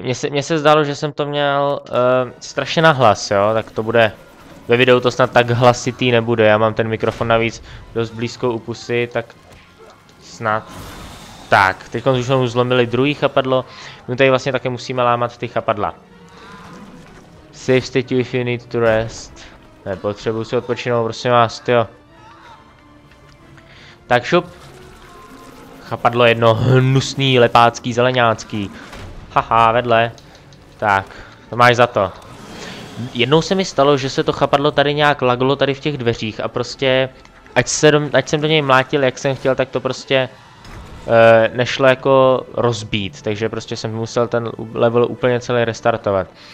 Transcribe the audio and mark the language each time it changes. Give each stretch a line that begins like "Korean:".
Czech: Mně se zdálo, že jsem to měl strašně nahlas, jo, tak to bude. Ve videu to snad tak hlasitý nebude, já mám ten mikrofon navíc dost blízko u pusy, tak snad. Tak, teď už jsme zlomili druhý chapadlo, my tady vlastně také musíme lámat ty chapadla.
English: Save state if you need to rest.
Czech: Ne, potřebuju si odpočinout, prosím vás, tyjo. Tak šup. Chapadlo jedno hnusný, lepácký, zelenácký. Haha, vedle. Tak, to máš za to. Jednou se mi stalo, že se to chapadlo tady nějak laglo tady v těch dveřích a prostě, ať jsem do něj mlátil, jak jsem chtěl, tak to prostě nešlo jako rozbít, takže prostě jsem musel ten level úplně celý restartovat.